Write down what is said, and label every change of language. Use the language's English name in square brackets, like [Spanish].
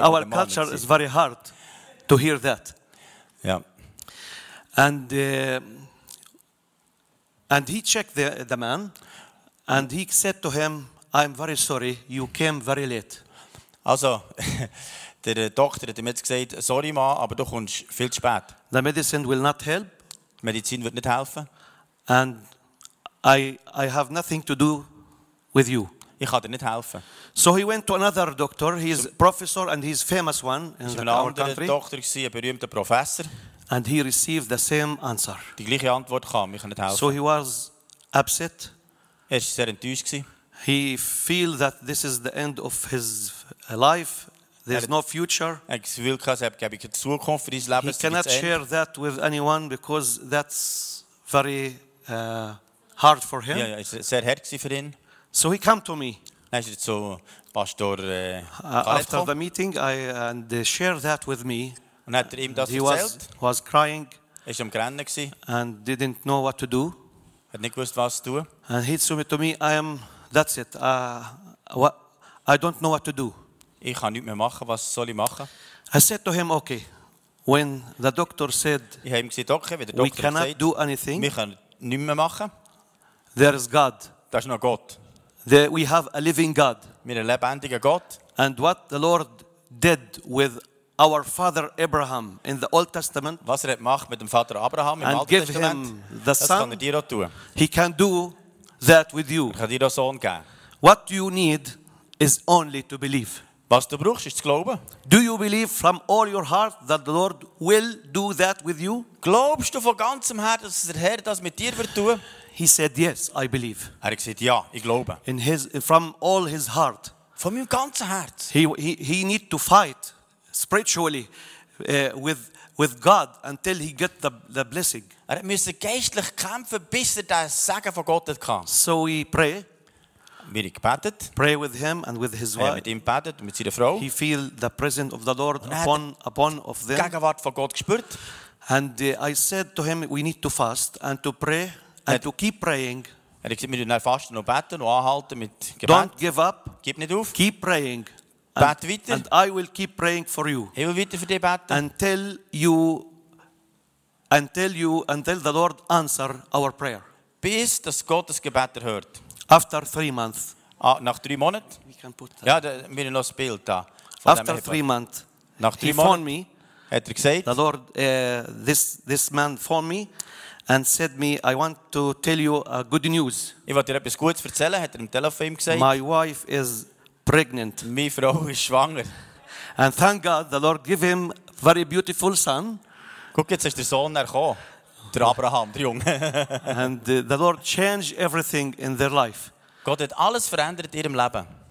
[English] Our culture is very hard to hear that. [German] Ja. [English] And he checked the man, and he said to him, "I'm very sorry, you came very late." [German] Also, der Doktor hat ihm jetzt gesagt, sorry Ma, aber du kommst viel zu spät. [English] The medicine will not help. [German] Die Medizin wird nicht helfen. [English] And I have nothing to do with you. [German] Ich kann dir nicht helfen. [English] So he went to another doctor. He is a professor and he's a famous one in our country. [German] Ist ein anderer Doktor, ein berühmter Professor. [English] And he received the same answer. [German] Die gleiche Antwort kam, ich kann nicht helfen. [English] So he was upset. [German] Er ist sehr enttäuscht gewesen. [English] He feel that this is the end of his life. There's no future. He cannot share that with anyone because that's very hard for him. [German] Ja, ist sehr hart gewesen für ihn. [English] So he came to me. Pastor after the meeting, and share that with me. [German] Und hat ihm das [English] he was crying. [German] Ist am Grennen gewesen. [English] And didn't know what to do. [German] Hat nicht gewusst, was zu tun. [English] And he told me to me, I am. That's it. I don't know what to do. [German] Ich kann nichts mehr machen. Was soll ich machen? [English] I said to him, okay. When the doctor said, [German] ich habe ihm gesagt, okay, wie der Doktor [English] we cannot [German] gesagt, [English] do anything. [German] Wir können nichts mehr machen. [English] There is God. [German] Da ist noch Gott. [English] We have a living God. [German] Wir haben einen lebendigen Gott. [English] And what the Lord did with our father Abraham in the Old Testament. [German] Was er hat gemacht mit dem Vater Abraham im Alten Testament. [English] Him the [German] das [English] son, [German] kann er dir auch tun. [English] He can do that with you. [German] Er kann dir auch Sohn geben. [English] What you need is only to believe. [German] Was du brauchst, ist zu glauben. [English] Do you believe from all your heart that the Lord will do that with you? [German] Glaubst du von ganzem Herzen, dass der Herr das mit dir wird tun? [English] He said yes, I believe. [German] Er hat gesagt ja, ich glaube. [English] In his from all his heart. [German] Von meinem ganzen Herz. [English] He need to fight spiritually with God until he get the blessing. [German] Er musste geistlich kämpfen, bis er das Segen von Gott kam. [English] So we pray. [German] Wir haben gebetet. [English] Pray with him and with his wife. [German] Mit ihm gebetet und mit seiner Frau. [English] He feel the presence of the Lord upon of them. [German] Gegenwart von Gott gespürt. [English] And I said to him, we need to fast and to pray and to keep praying. [German] Er hat gesagt, wir müssen fasten und beten und anhalten mit Gebet. [English] Don't give up. [German] Gib nicht auf. [English] Keep praying. [German] Bet weiter. [English] And I will keep praying for you. [German] Ich will weiter für dich beten. [English] Until the Lord answer our prayer. [German] Bis das Gottes Gebet erhört. [English] After 3 months. [German] Nach 3 Monaten? [English] We can put [German] that. Ja, da, wir haben noch das Bild da. [English] After 3 months. [German] Nach 3 Monaten. Me, hat er gesagt. [English] The Lord, this man phoned me and said me, I want to tell you a good news. [German] Ich wollte dir etwas Gutes erzählen, hat er im Telefon gesagt. [English] My wife is pregnant. [German] Meine Frau ist schwanger. [English] And thank God, the Lord gave him a very beautiful son. [German] Guck, jetzt ist der Sohn gekommen. Der Abraham, der Junge. [English] And the Lord changed everything in their life. [German] Gott hat alles verändert in ihrem Leben.